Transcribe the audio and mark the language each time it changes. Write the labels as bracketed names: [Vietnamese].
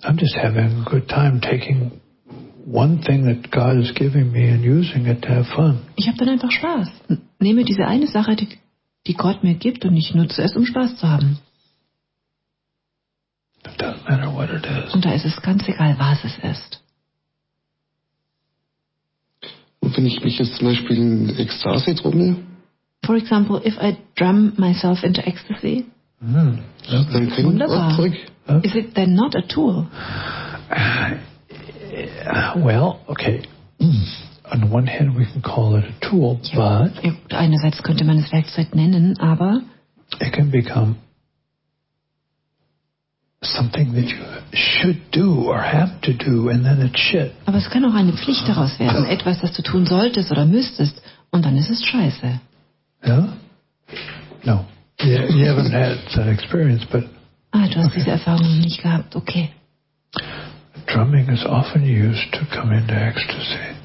[English] I'm just having a good time taking one thing that God is giving me and using it to have fun. [German] Ich habe dann einfach Spaß. Nehme diese eine Sache, die Gott mir gibt, und ich nutze es, um Spaß zu haben. [English] It doesn't matter what it is. [German] Und da ist es ganz egal, was es ist. Und wenn ich mich jetzt zum Beispiel in Ekstase drumme? [English] For example, if I drum myself into ecstasy, [German] dann kriege ich was zurück. [English] Ja? Is it then not a tool? Well, okay. On one hand, we can call it a tool, but [German] einerseits könnte man es Werkzeug nennen, aber [English] it can become something that you should do or have to do, and then it's shit. [German] Aber es kann auch eine Pflicht daraus werden, etwas, das du tun solltest oder müsstest, und dann ist es scheiße. [English] Yeah? No. You haven't had that experience, but [German] du hast diese Erfahrung nicht gehabt. Okay. [English] Drumming is often used to come into ecstasy.